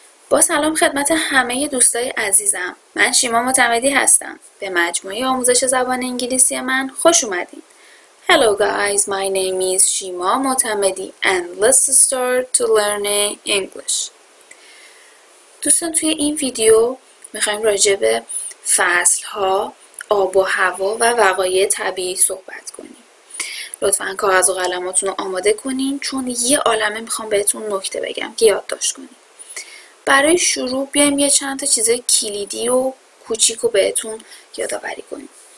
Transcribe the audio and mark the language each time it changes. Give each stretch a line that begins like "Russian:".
Persian: با سلام خدمت همه دوستای عزیزم، من شیما معتمدی هستم. به مجموعه آموزش زبان انگلیسی من خوش اومدید.
English: Hello guys, my name is Shima Motamedi and let's start to learn English.
Persian: دوستان توی این ویدیو میخواییم راجع به فصلها، آب و هوا و وقایع طبیعی صحبت کنیم. لطفاً کاغذ و قلماتون رو آماده کنین چون یه عالمه میخوام بهتون نکته بگم که یادداشت کنین. برای شروع بیایم یه چند تا چیز کلیدی و کوچیک رو بهتون یادآوری کنیم.